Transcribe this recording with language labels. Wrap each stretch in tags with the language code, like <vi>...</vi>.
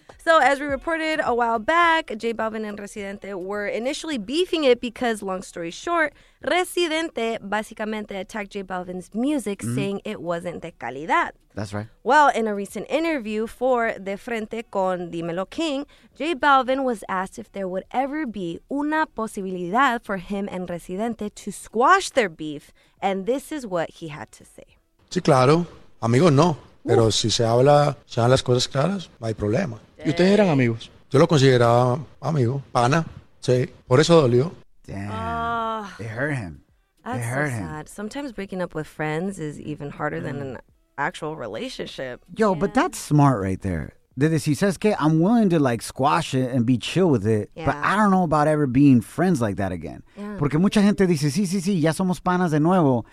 <en>So, as we reported a while back, J Balvin and Residente were initially beefing it because, long story short, Residente basically attacked J Balvin's music, saying it wasn't</en> <es>de calidad.</es> <en>That's right. Well, in a recent interview for De Frente con Dímelo King, J Balvin was asked if there would ever be</en> <es>una posibilidad</es> <en>for him and Residente to squash their beef, and this is what he had to say.</en> <es>Sí, claro. Amigos, no. Pero si se habla, se hablan las cosas claras, no hay problema. Y ustedes eran amigos. Yo lo consideraba amigo, pana. Sí, por eso dolió.</es> <en>Damn. It hurt him. That's it hurt so sad. Him. Sometimes breaking up with friends is even harder than an actual relationship. Yo, yeah. But that's smart right there. He says, okay, I'm willing to like squash it and be chill with it, yeah. But I don't know about ever being friends like that again. Yeah.</en> <es>Porque mucha gente dice, sí, ya somos panas de nuevo.</es>